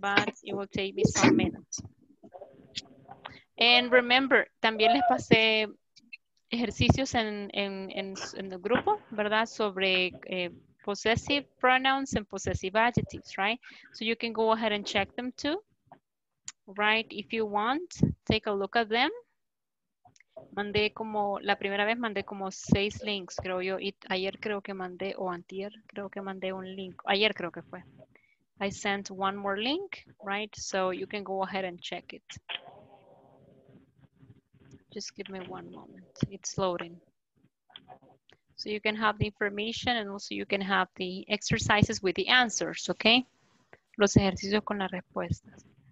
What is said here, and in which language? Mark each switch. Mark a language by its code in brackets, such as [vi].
[en] But it will take me some minutes. And remember, [es] también les pasé ejercicios en el grupo, ¿verdad? [en] Sobre possessive pronouns and possessive adjectives, right? So you can go ahead and check them too, right? If you want, take a look at them. [es] Mandé como, la primera vez mandé como 6 links, creo yo. Y ayer creo que mandé, o antier, creo que mandé un link. Ayer creo que fue. [en] I sent one more link, right? So you can go ahead and check it. Just give me one moment. It's loading. So you can have the information and also you can have the exercises with the answers, okay? [es] Los ejercicios con las respuestas.